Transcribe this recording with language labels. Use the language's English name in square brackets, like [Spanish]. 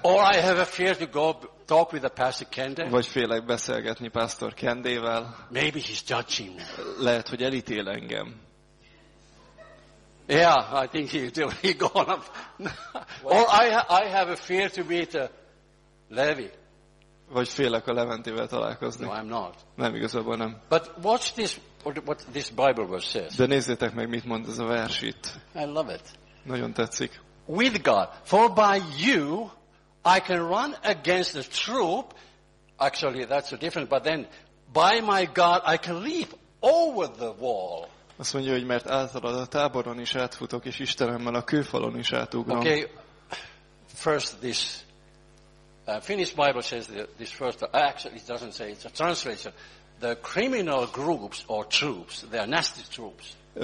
[English] Or I have a fear to go talk with the Pastor Kende. [Hungarian] Vagy félek beszélgetni Pastor Kendével. [English] Maybe he's judging me. [Hungarian] Lehet, hogy elítél engem. [English] Yeah, I think he gone up. Or I have a fear to meet a Levi. [Hungarian] Vagy félek a Leventivel találkozni. [English] No, I'm not. [Hungarian] Nem, igazából nem. [English] But watch this, what this Bible verse says. [Hungarian] De nézzétek meg, mit mond ez a vers itt. [English] I love it. [Hungarian] Nagyon tetszik. [English] With God, for by you I can run against the troop. Actually, that's a different, but then by my God I can leap over the wall. [Hungarian] Azt mondja, hogy mert általad a táboron is átfutok, és Istenemmel a kőfalon is átugrom. [English] Okay, first this. Finnish Bible says this first. Actually, it doesn't say. It's a translation. The criminal groups or troops. They are nasty troops.